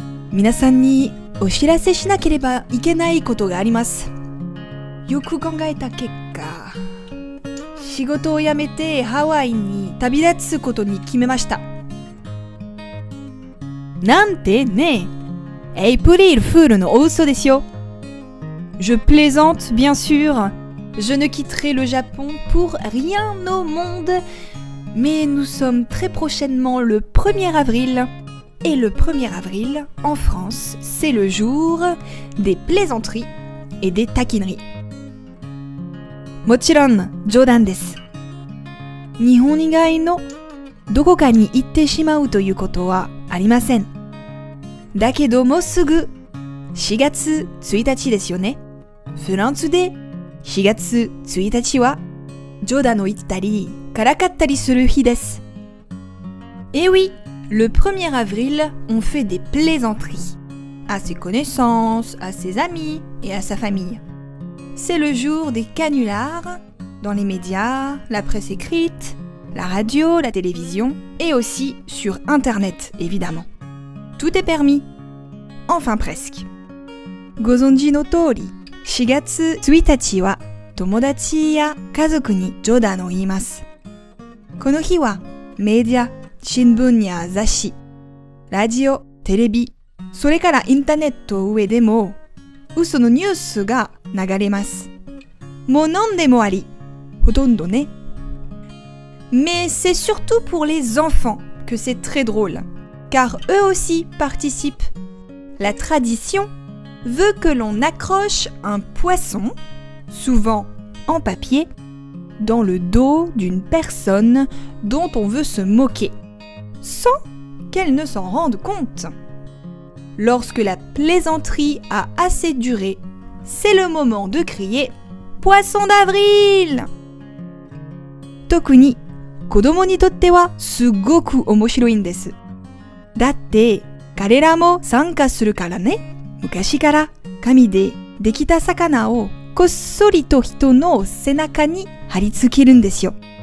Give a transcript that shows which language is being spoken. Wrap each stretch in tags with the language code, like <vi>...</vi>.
<ja>皆さんにお知らせしなければいけないことがあります。よく考えた結果。仕事を辞めてハワイに旅立つことに決めました。なんてね、エイプリルフールの大嘘ですよ。</ja> <fr>Je plaisante, bien sûr. Je ne quitterai le Japon pour rien au monde. Mais nous sommes très prochainement le 1er avril. Et le 1er avril, en France, c'est le jour des plaisanteries et des taquineries.</fr> <ja>もちろん冗談です。日本以外のどこかに行ってしまうということはありません。だけどもうすぐ4月1日ですよね。フランスで4月1日は冗談を言ったりからかったりする日です。</ja> <fr>Eh oui, le 1er avril, on fait des plaisanteries à ses connaissances, à ses amis et à sa famille. C'est le jour des canulars dans les médias, la presse écrite, la radio, la télévision et aussi sur Internet, évidemment. Tout est permis. Enfin presque.</fr> <ja>ご存知の通り、4月1日は友達や家族に冗談を言います。この日はメディア、新聞や雑誌、ラジオ、テレビ、それからインターネット上でも嘘のニュースが流れます。もう何でもあり。ほとんどね。</ja> <fr>Mais c'est surtout pour les enfants que c'est très drôle, car eux aussi participent. La tradition veut que l'on accroche un poisson, souvent en papier, dans le dos d'une personne dont on veut se moquer, sans qu'elle ne s'en rende compte. Lorsque la plaisanterie a assez duré,C'est le moment de crier Poisson d'avril!</fr> <ja>特に子供にとってはすごく面白いんです。だって彼らも参加するからね。昔から紙でできた魚をこっそりと人の背中に貼り付けるんですよ。</ja>